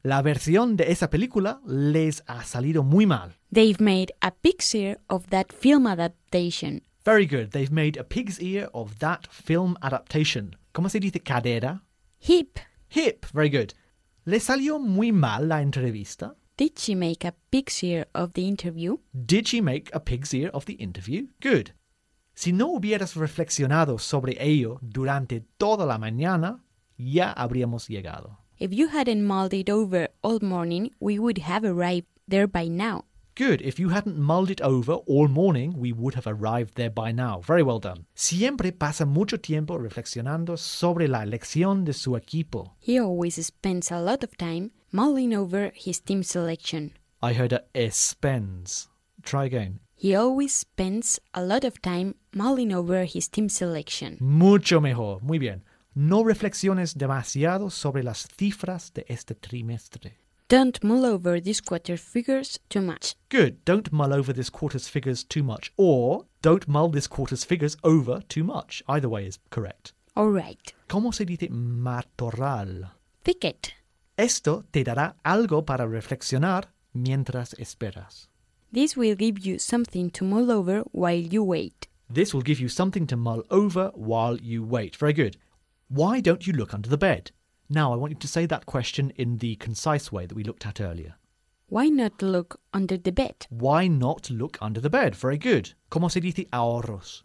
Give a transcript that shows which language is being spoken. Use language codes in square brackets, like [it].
[es] La versión de esa película les ha salido muy mal. [en] They've made a pig's ear of that film adaptation. Very good. They've made a pig's ear of that film adaptation. [es] ¿Cómo se dice cadera? [en] Hip. Hip. Very good. [es] ¿Le salió muy mal la entrevista? [en] Did she make a pig's ear of the interview? Did she make a pig's ear of the interview? Good. [es] Si no hubieras reflexionado sobre ello durante toda la mañana, ya habríamos llegado. [en] If you hadn't mulled it over all morning, we would have arrived there by now. Good. If you hadn't mulled it over all morning, we would have arrived there by now. Very well done. [es] Siempre pasa mucho tiempo reflexionando sobre la elección de su equipo. [en] He always spends a lot of time mulling over his team selection. I heard a spends. Try again. He always spends a lot of time mulling over his team selection. [es] Mucho mejor. Muy bien. No reflexiones demasiado sobre las cifras de este trimestre. [en] Don't mull over this quarter's figures too much. Good. Don't mull over this quarter's figures too much. Or, don't mull this quarter's figures over too much. Either way is correct. All right. [es] ¿Cómo se dice matorral? [en] Thicket. [es] Esto te dará algo para reflexionar mientras esperas. [en] This will give you something to mull over while you wait. This will give you something to mull over while you wait. Very good. Why don't you look under the bed? Now, I want you to say that question in the concise way that we looked at earlier. Why not look under the bed? Why not look under the bed? Very good. [es] ¿Cómo se dice ahorros?